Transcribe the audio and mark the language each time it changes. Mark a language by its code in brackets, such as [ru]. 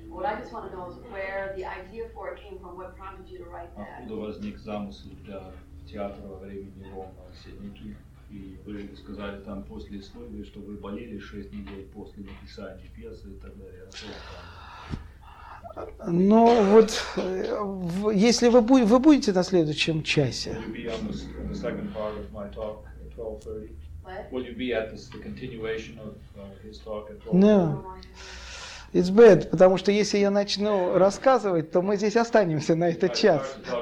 [en] What I just want to know is where the idea for it came from. What prompted you to write that? [ru] Откуда возник замысел для театра во время Нерона Сенеки? И вы сказали там после истории, что вы болели 6 недель после написания пьесы и так далее. Ну вот, если вы будете на следующем часе. [en] Will you be at the continuation of his talk at 12:30? No. It's bad, [ru] потому что если я начну рассказывать, то мы здесь останемся на этот час.